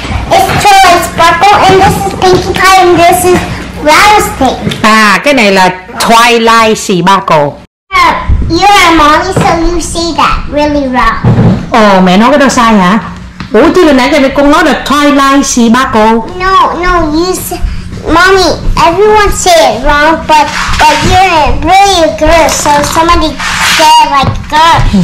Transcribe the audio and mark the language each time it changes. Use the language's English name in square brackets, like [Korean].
[English] It's true, it's purple and this is Pinkie Pie and this is Rattlesnake. [Vietnamese] À, cái này là Twilight Sparkle. [English] You're a mommy, so you say that really wrong. [Vietnamese] Oh, mẹ nói cái đó sai hả? Ủa, chứ lần nãy con nói là Twilight Sparkle. [English] No, no, you say, mommy, everyone say it wrong, but you're really a girl, so somebody say it like a girl.